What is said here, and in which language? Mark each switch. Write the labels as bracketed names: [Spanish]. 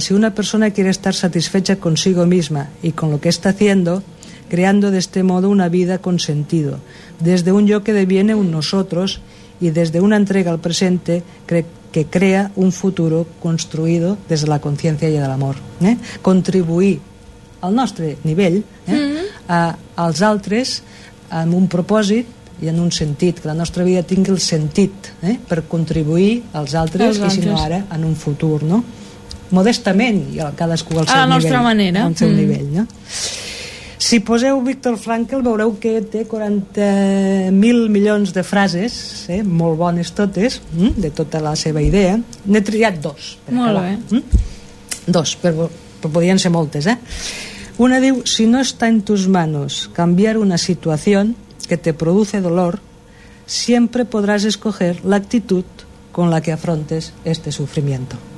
[Spanish] Si una persona quiere estar satisfecha consigo misma y con lo que está haciendo, creando de este modo una vida con sentido, desde un yo que deviene un nosotros y desde una entrega al presente que crea un futuro construido desde la conciencia y el amor. [Catalan] Contribuir al nostre nivell, als altres, amb un propòsit i en un sentit, que la nostra vida tingui el sentit, per contribuir als altres, i si no ara, en un futur, no? Modestament, i cadascú al seu nivell. A la nostra manera. Al seu nivell, no? Si poseu Víctor Frankl, veureu que té 40.000 milions de frases, molt bones totes, de tota la seva idea. N'he triat dos. Dos, però podien ser moltes, Una diu, [Spanish] si no está en tus manos cambiar una situación que te produce dolor, siempre podrás escoger la actitud con la que afrontes este sufrimiento.